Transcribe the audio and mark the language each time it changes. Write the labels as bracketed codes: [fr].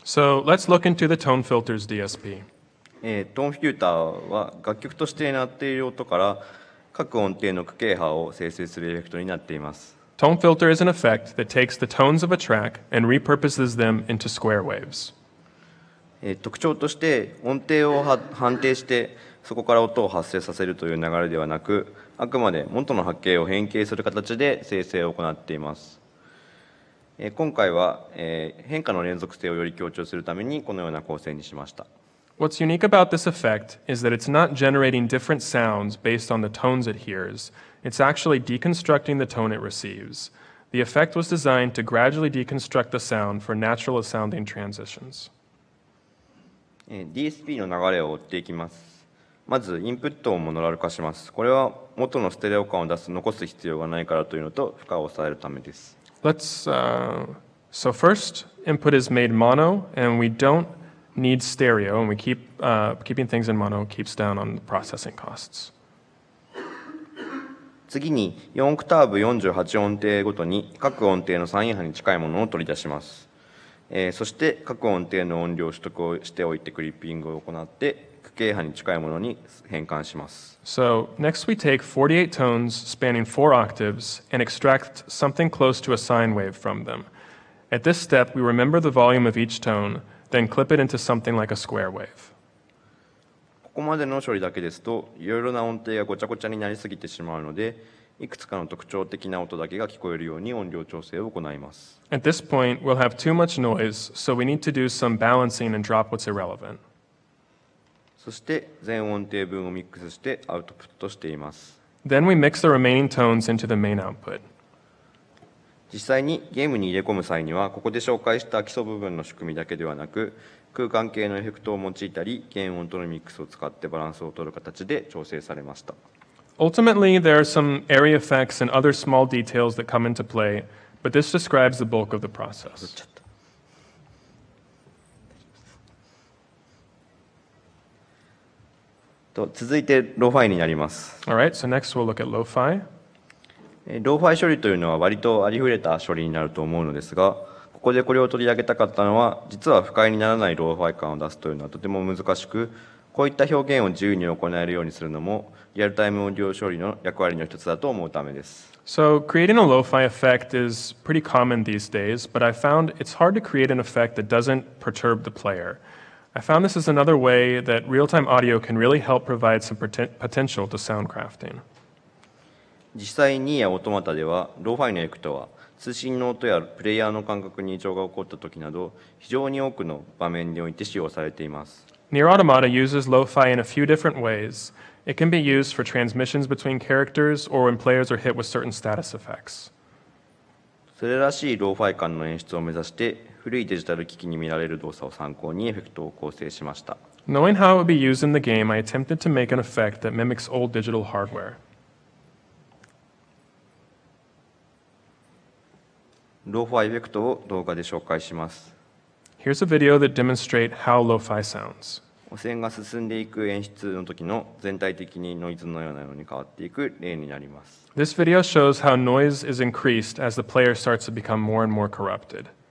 [en] So let's look into the Tone Filter's DSP. [ja] Tone Filter は楽曲として鳴っている音から各音程の区形波を生成するエフェクトになっています。 [en] Tone Filter is an effect that takes the tones of a track and repurposes them into square waves. [ja] 特徴として音程を判定してそこから音を発生させるという流れではなく、あくまで元の波形を変形する形で生成を行っています。今回は変化の連続性をより強調するためにこのような構成にしました。 [en] What's unique about this effect is that it's not generating different sounds based on the tones it hears. It's actually deconstructing the tone it receives. The effect was designed to gradually deconstruct the sound for natural sounding transitions. [ja] DSP の流れを追っていきます。まずインプットをモノラル化します。これは元のステレオ感を出す、残す必要がないからというのと負荷を抑えるためです。 [en] So first, input is made mono, and we don't need stereo, and we keep, keeping things in mono keeps down on the processing costs. [ja] 次に、4オクターブ48音程ごとに各音程の3音波に近いものを取り出します。そして各音程の音量を取得をしておいてクリッピングを行って、区形波に近いものに変換します。 [en] So, next we take 48 tones spanning 4 octaves and extract something close to a sine wave from them. At this step, we remember the volume of each tone, then clip it into something like a square wave. [ja] ここまでの処理だけですと、いろいろな音程がごちゃごちゃになりすぎてしまうので、いくつかの特徴的な音だけが聞こえるように音量調整を行います。 [en] At this point, we'll have too much noise, so we need to do some balancing and drop what's irrelevant. [ja] そして全音程分をミックスしてアウトプットしています。 [en] Then we mix the remaining tones into the main output. [ja] 実際にゲームに入れ込む際には、ここで紹介した基礎部分の仕組みだけではなく、空間系のエフェクトを用いたり、原音とのミックスを使ってバランスを取る形で調整されました。 [en] Ultimately, there are some area effects and other small details that come into play, but this describes the bulk of the process. [ja] 続いてローファイになります。 [en] All right, so next we'll look at lo-fi. [ja] Lo-fi 処理というのは割とありふれた処理になると思うのですが、ここでこれを取り上げたかったのは、実は不快にならないlo-fi感を出すというのはとても難しく、こういった表現を自由に行えるようにするのも、リアルタイムオーディオ処理の役割の一つだと思うためです。 [en] So creating a lo-fi effect is pretty common these days, but I found it's hard to create an effect that doesn't perturb the player. I found this is another way that real-time audio can really help provide some potential to sound crafting. [ja] 実際にやオートマタでは、ローファイのエフェクトは、通信の音やプレイヤーの感覚に異常が起こった時など、非常に多くの場面において使用されています。 [en] Near Automata uses lo-fi in a few different ways. It can be used for transmissions between characters or when players are hit with certain status effects. [ja] それらしいローファイ感の演出を目指して、古いデジタル機器に見られる動作を参考にエフェクトを構成しました。 [en] Knowing how it would be used in the game, I attempted to make an effect that mimics old digital hardware. [ja] ローファイエフェクトを動画で紹介します。 [en] Here's a video that demonstrates how lo-fi sounds. [ja] 汚染が進んでいく演出の時の全体的にノイズのようなのに変わっていく例になります。 [en] This video shows how noise is increased as the player starts to become more and more corrupted.